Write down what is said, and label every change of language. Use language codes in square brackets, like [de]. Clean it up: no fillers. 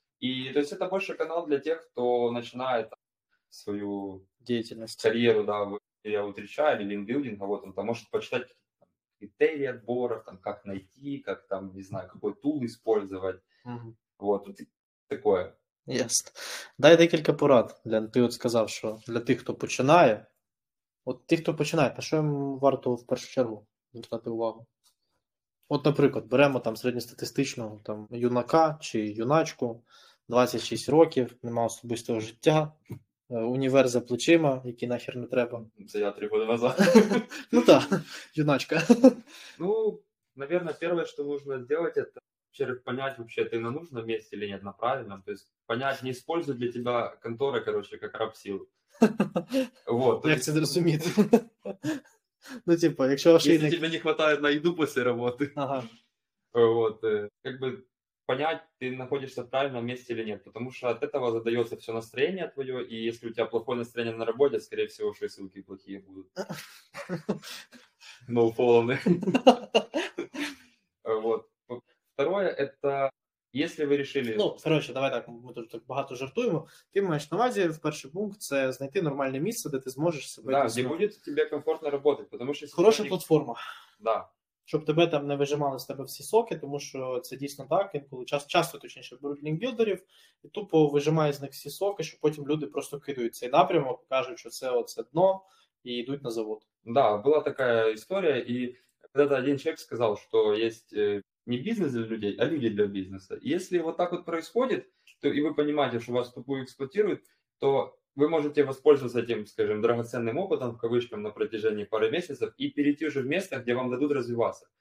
[ru] И то есть это больше канал для тех, кто начинает там, свою деятельность, карьеру, да, или аутрича, или линкбилдинга, вот он там может почитать там, критерии отборов, там, как найти, как там, не знаю, какой тул использовать. Ага. Вот, такое. [uk] Ясно. Дай декілька порад. Ти от сказав, що для тих, хто починає. От тих, хто починає, на що їм варто в першу чергу звертати увагу? От, наприклад, беремо там середньостатистичного там, юнака чи юначку, 26 років, нема особистого життя, універ за плечима, який нахер не треба. Це я 3 роки назад. Ну так, юначка. Ну, наверное, перше, що потрібно зробити, це... [ru] Через понять вообще, ты на нужном месте или нет, на правильном. То есть понять, не используют для тебя конторы, короче, как раб силы. Вот. Я тебя разумею. Ну типа, если тебе не хватает на еду после работы. Ага. Вот, как бы понять, ты находишься в правильном месте или нет, потому что от этого задается все настроение твое, и если у тебя плохое настроение на работе, скорее всего, что и ссылки плохие будут. [en] No problem. [ru] Вот. Второе, это если вы решили... [uk] Ну, коротше, давай так, ми тут так багато жартуємо. Ти маєш на увазі, перший пункт це знайти нормальне місце, де ти зможеш себе [ru] Да, где [uk] дійсно. [ru] будет тебе комфортно работать, потому что [uk] Хороша [ru] сотрудник... [uk] платформа. [ru] Да. [uk] Щоб тебе там не вижимали з тебе всі соки, тому що це дійсно так, інколи часто, точніше, беруть лінкбілдерів і тупо вижимають з них всі соки, що потім люди просто кидають цей напрямок, кажуть, що це оце дно і йдуть на завод. [ru] Да, была такая история, и когда-то один человек сказал, что есть не бизнес для людей, а люди для бизнеса. И если вот так вот происходит, то и вы понимаете, что вас тупую эксплуатируют, то вы можете воспользоваться этим, скажем, драгоценным опытом, в кавычках, на протяжении пары месяцев и перейти уже в место, где вам дадут развиваться.